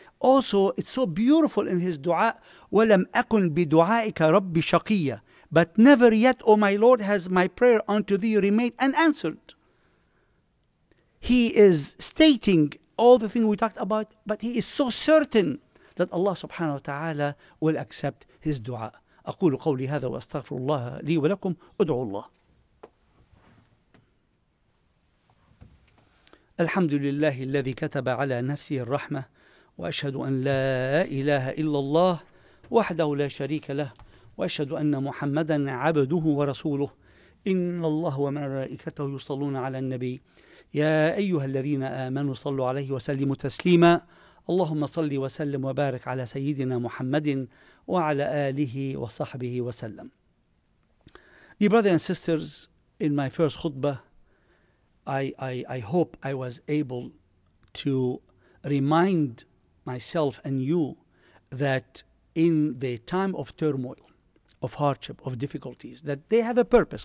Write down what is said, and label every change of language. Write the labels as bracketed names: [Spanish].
[English] Also, it's so beautiful in his dua, [Arabic] وَلَمْ أَكُنْ بِدُعَائِكَ رَبِّ شَقِيَّ [English] But never yet, O my Lord, has my prayer unto thee remained unanswered. He is stating all the things we talked about, but he is so certain that Allah subhanahu wa ta'ala will accept his dua. [Arabic] أقول قولي هذا وأستغفر الله لي ولكم أدعو الله. الحمد لله الذي كتب على نفسه الرحمة وأشهد أن لا إله إلا الله وحده لا شريك له وأشهد أن محمدا عبده ورسوله إن الله وملائكته يصلون على النبي يا أيها الذين آمنوا صلوا عليه وسلموا تسليما اللهم صل وسلم وبارك على سيدنا محمد وعلى آله وصحبه وسلم. [English] Dear brothers and sisters, in my first khutbah, I hope I was able to remind myself and you that in the time of turmoil, of hardship, of difficulties, that they have a purpose.